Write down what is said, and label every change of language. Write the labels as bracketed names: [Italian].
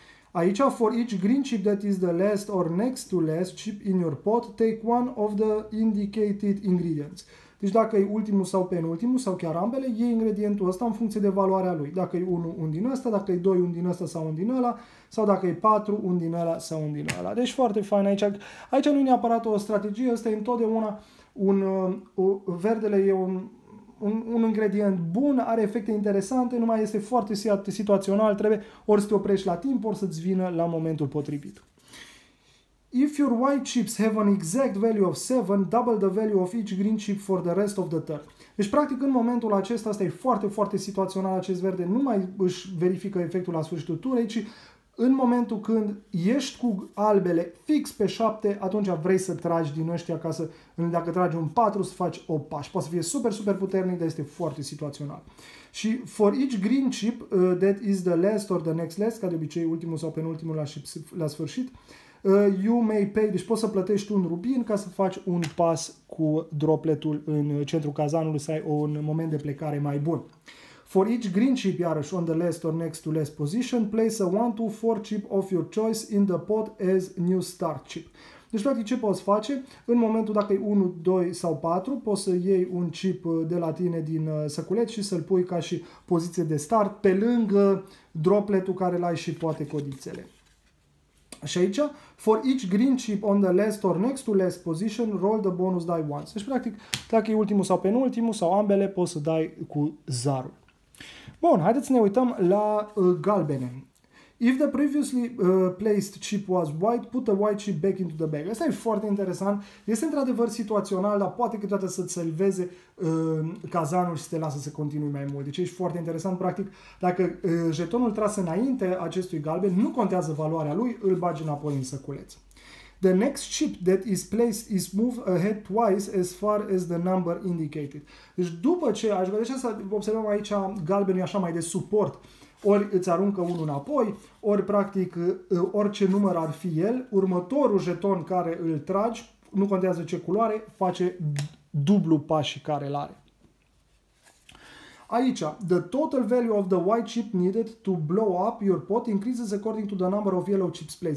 [English] Aici, for each green chip that is the last or next to last chip in your pot, take one of the indicated ingredients. [Romanian] Deci dacă e ultimul sau penultimul sau chiar ambele, iei ingredientul ăsta în funcție de valoarea lui. Dacă e 1, un din ăsta, dacă e 2, un din ăsta sau un din ăla, sau dacă e 4, un din ăla sau un din ăla. Deci foarte fain aici. Aici nu e neapărat o strategie, ăsta e întotdeauna verdele e un ingredient bun, are efecte interesante, numai este foarte situațional, trebuie ori să te oprești la timp, ori să-ți vină la momentul potrivit. [English] If your white chips have an exact value of 7, double the value of each green chip for the rest of the turn. [Romanian] Deci, practic, în momentul acesta, asta e foarte, foarte situațional, acest verde nu mai își verifică efectul la sfârșitul turei, ci în momentul când ești cu albele fix pe 7, atunci vrei să tragi din ăștia ca să, dacă tragi un 4, să faci 8 pași. Poate să fie super, super puternic, dar este foarte situațional. Și [English] for each green chip that is the last or the next last, [Romanian] ca de obicei ultimul sau penultimul la sfârșit, [English] you may pay, [Romanian] deci poți să plătești un rubin ca să faci un pas cu dropletul în centrul cazanului, să ai un moment de plecare mai bun. [English] For each green chip, [Romanian] iarăși, [English] on the last or next to last position, place a 1-2-4 chip of your choice in the pot as new start chip. [Romanian] Deci, practic, ce poți face? În momentul dacă e 1, 2 sau 4, poți să iei un chip de la tine din săculeț și să-l pui ca și poziție de start pe lângă dropletul care l-ai și poate codițele. Și aici, [English] for each green chip on the last or next to last position, roll the bonus die once. [Romanian] Deci, practic, dacă e ultimul sau penultimul sau ambele, poți să dai cu zarul. Bun, haideți să ne uităm la galbene. [English] If the previously placed chip was white, put the white chip back into the bag. [Romanian] Asta e foarte interesant. Este într-adevăr situațional, dar poate câteodată să-ți salveze cazanul și să te lasă să continui mai mult. Deci e foarte interesant. Practic, dacă jetonul tras înainte acestui galben, nu contează valoarea lui, îl bagi înapoi în săculeț. [English] The next chip that is placed is moved ahead twice as far as the number indicated. [Romanian] Deci după ce aș vedea să observăm aici, galbenul e așa mai de suport. Ori îți aruncă unul înapoi, ori practic orice număr ar fi el, următorul jeton care îl tragi, nu contează ce culoare, face dublu pașii care îl are. [English] Aici, the total value of the white chip needed to blow up your pot increases according to the number of yellow chips placed.